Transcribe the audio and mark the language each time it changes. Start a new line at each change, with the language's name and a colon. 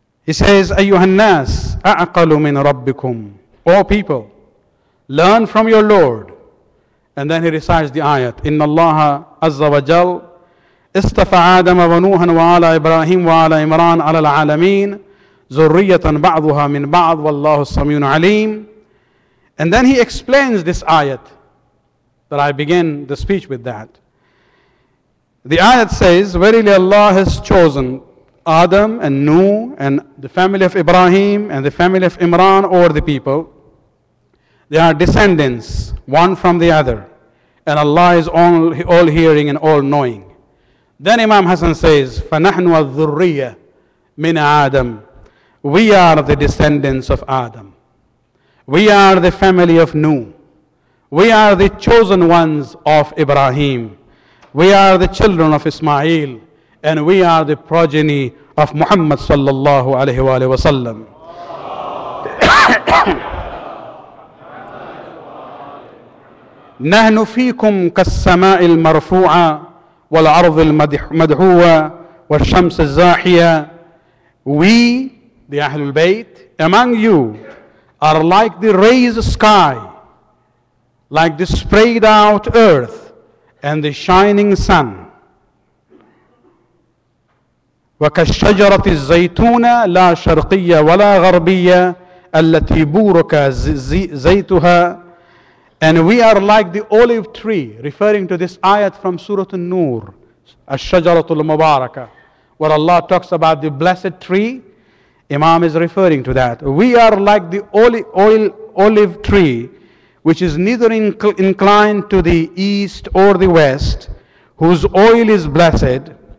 English: He says,
Arabic: أَيُّهَا النَّاسُ أَعْقَلُ مِنْ رَبِّكُمْ.
English: All people, learn from your Lord. And then he recites the ayat,
Arabic: إِنَّ اللَّهَ عَزَّ وَجَلَّ اصطفى آدم ونوحا وآل إبراهيم وآل عمران على العالمين ذرية بعضها من بعض والله السميع العليم.
English: And then he explains this ayat that I begin the speech with. That the ayat says, verily Allah has chosen Adam and Nuh and the family of Ibrahim and the family of Imran over the people. They are descendants one from the other, and Allah is all hearing and all knowing. Then Imam Hassan says,
Arabic: فَنَحْنُ وَالذُّرِّيَّةِ مِنْ آدَمٍ.
English: We are the descendants of Adam. We are the family of Nuh. We are the chosen ones of Ibrahim. We are the children of Ismail. And we are the progeny of Muhammad sallallahu alayhi wa sallam.
Arabic: نَحْنُ فِيكُمْ كَالسَّمَاءِ الْمَرْفُوعَةِ والأرض المدحوة والشمس الزاحية.
English: We, the Ahlul Bayt, among you, are like the raised sky, like the spread out earth and the shining sun.
Arabic: وكالشجرة الزيتونة لا شرقية ولا غربية التي بورك زيتها.
English: And we are like the olive tree, referring to this ayat from Surah An-Nur, Ash-Shajaratul Mubarakah, where Allah talks about the blessed tree. Imam is referring to that. We are like the olive tree, which is neither inclined to the east or the west, whose oil is blessed.